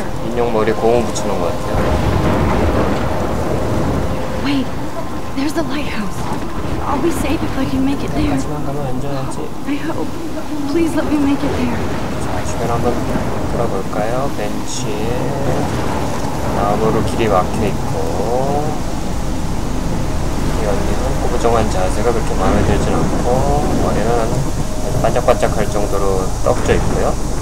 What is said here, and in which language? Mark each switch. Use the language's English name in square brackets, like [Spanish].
[Korean] 인형 머리에 고무 붙이는 것 같아요. [English] Wait, there's the lighthouse. I'll be safe if I can make it there. [Korean] 마지막 가면 안전하지. [English] I hope. Please let me make it there. [Korean] 자, 주변 한번 돌아볼까요? 벤치에 나무로 길이 막혀 있고, 이 언니는 꾸부정한 자세가 그렇게 마음에 들진 않고, 머리는 반짝반짝할 정도로 떡져 있고요.